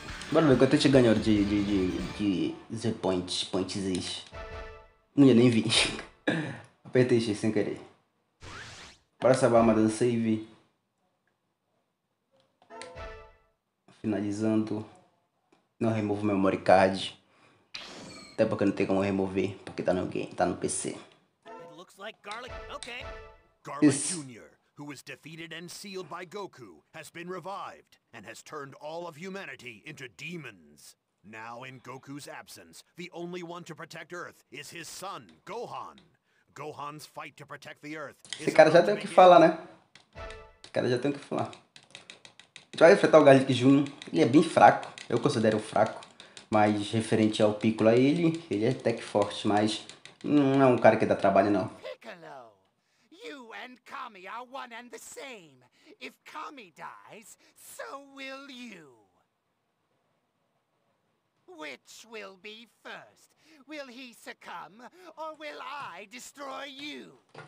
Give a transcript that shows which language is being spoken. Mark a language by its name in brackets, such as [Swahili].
[Portuguese] Bora ver quanto a gente ganhou de Z-Points, Points Z. Não ia nem vir. Apertei X sem querer. Bora salvar a arma do save. Finalizando. Não removo o memory card. Até porque não tem como remover, porque tá no game, tá no PC. [English] Garlic Jr., who was defeated and sealed by Goku, has been revived and has turned all of humanity into demons. Now, in Goku's absence, the only one to protect Earth is his son, Gohan. Gohan's fight to protect the Earth is... [Portuguese] Esse cara já tem o que falar, né? Esse cara já tem o que falar. vai enfrentar o Garlic Jr. Ele é bem fraco, eu considero fraco, mas referente ao Piccolo a ele, ele é até que forte, mas não é um cara que dá trabalho não. [English] Piccolo, you and Kami are one and the same. If Kami dies, so will you. Which will be first? Will he succumb or will I destroy you?